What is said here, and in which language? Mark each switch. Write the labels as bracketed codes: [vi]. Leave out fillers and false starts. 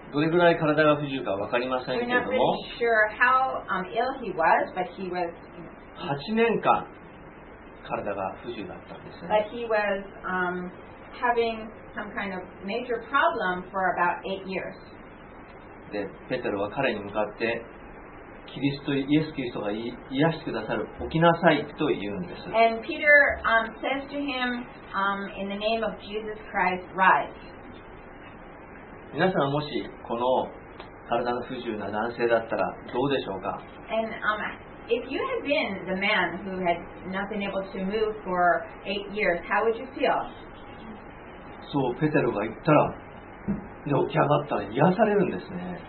[ja] どれぐらい体が不自由か分かりませんけれども。 [en] We're not really sure how ill he was, but he was [ja] 8年間体が不自由だったんですね。 [en] But he was having some kind of major problem for about 8 years. [ja] で、ペテロは彼に向かってキリストイエスキリストが癒してくださる起きなさいと言うんです。 [en] And Peter says to him in the name of Jesus Christ, rise. [ja] 皆さんもしこの体の不自由な男性だったらどうでしょうか。 [en] And if you had been the man who had not been able to move for 8 years, how would you feel? [ja] そう、ペテロが言ったら、で起き上がったら癒されるんですね。